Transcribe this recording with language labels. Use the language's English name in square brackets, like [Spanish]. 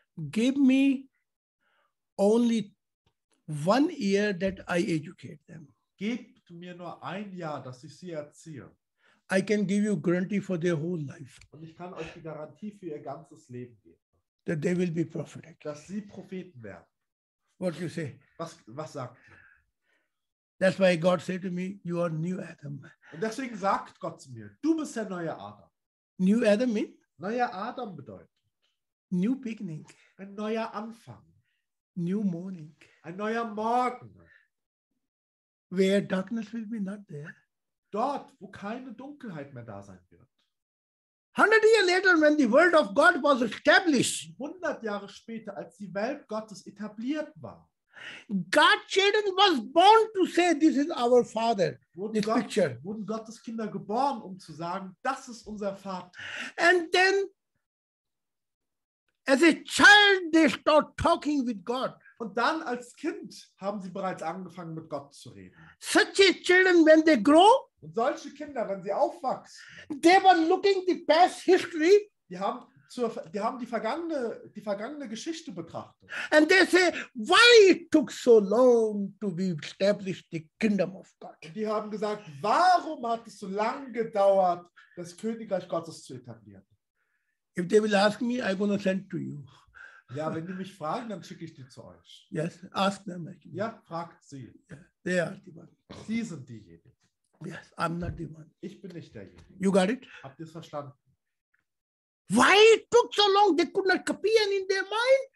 [English] Give me only 1 year that I educate them. [German] Gib mir nur 1 Jahr, dass ich sie erziehe. [English] I can give you guarantee for their whole life. [German] Und ich kann euch die Garantie für ihr ganzes Leben geben. [English] That they will be prophetic. [German] Dass sie Propheten werden. [English] What you say? [German] Was sagt ihr? [English] That's why God said to me, you are new Adam. [German] Und deswegen sagt Gott zu mir, du bist der neue Adam. [English] New Adam mean? [German] Neuer Adam bedeutet. [English] New beginning. [German] Ein neuer Anfang. [English] New morning. [German] Ein neuer Morgen. [English] Where darkness will be not there. [German] Dort, wo keine Dunkelheit mehr da sein wird. [English] 100 years later, when the word of God was established. [German] 100 Jahre später, als die Welt Gottes etabliert war. [English] God's children was born to say, this is our father. [German] Wurden Gottes Kinder geboren, um zu sagen, das ist unser Vater. [English] And then, as a child, they start talking with God. [German] Und dann als Kind haben sie bereits angefangen, mit Gott zu reden. [English] Such a children, when they grow, [German] und solche Kinder, wenn sie aufwachsen, [English] they were looking the past history, [German] die haben die vergangene Geschichte betrachtet. [English] And they say, why it took so long to be established the kingdom of God? [German] Und die haben gesagt, warum hat es so lange gedauert, das Königreich Gottes zu etablieren? [English] If they will ask me, I'm gonna send to you. [German] Ja, wenn die mich fragen, dann schicke ich die zu euch. [English] Yes, ask them. [German] Ja, fragt sie. [English] They are the one. [German] Sie sind diejenigen. [English] Yes, I'm not the one. [German] Ich bin nicht derjenige. [English] You got it? [German] Habt ihr es verstanden? [English] Why it took so long? They could not [German] kapieren [English] in their mind.